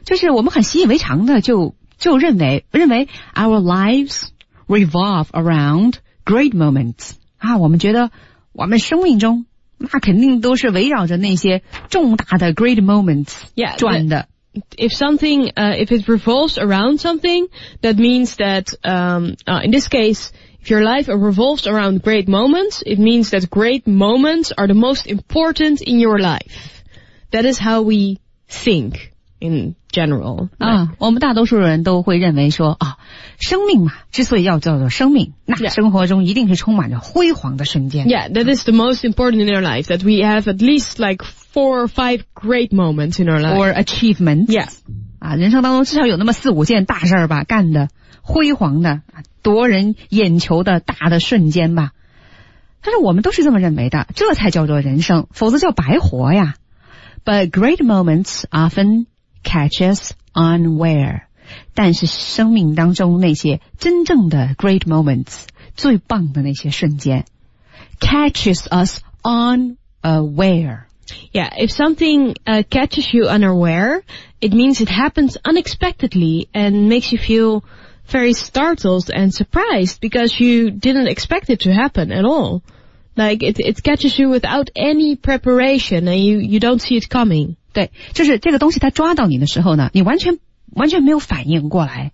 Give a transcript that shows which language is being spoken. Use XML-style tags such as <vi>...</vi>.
<zh>就是我们很习以为常的就认为</zh> <en>our lives revolve around great moments</en> <zh>啊，我们觉得我们生命中那肯定都是围绕着那些重大的</zh> <en>great moments</en> <zh>转的。</zh> <en>Yeah, if something, if it revolves around something, that means that, in this case, if your life revolves around great moments, it means that great moments are the most important in your life. That is how we think in general.</en> <zh>啊，我们大多数人都会认为说啊，生命嘛，之所以要叫做生命，那生活中一定是充满着辉煌的瞬间。</zh> <en>Yeah, that is the most important in our life. That we have at least like four or five great moments in our life. Or achievements. Yeah.</en> <zh>啊，人生当中至少有那么四五件大事吧，干的辉煌的，夺人眼球的大的瞬间吧。但是我们都是这么认为的，这才叫做人生，否则叫白活呀。</zh> <en>But great moments often catch us unaware.</en> <zh>但是生命当中那些真正的</zh> <en>great moments,</en> <zh>最棒的那些瞬间</zh> <en>catches us unaware. Yeah, if something catches you unaware, it means it happens unexpectedly and makes you feel very startled and surprised because you didn't expect it to happen at all. Like, it catches you without any preparation, and you don't see it coming.</en> <zh>对，就是这个东西它抓到你的时候呢，你完全没有反应过来、</zh>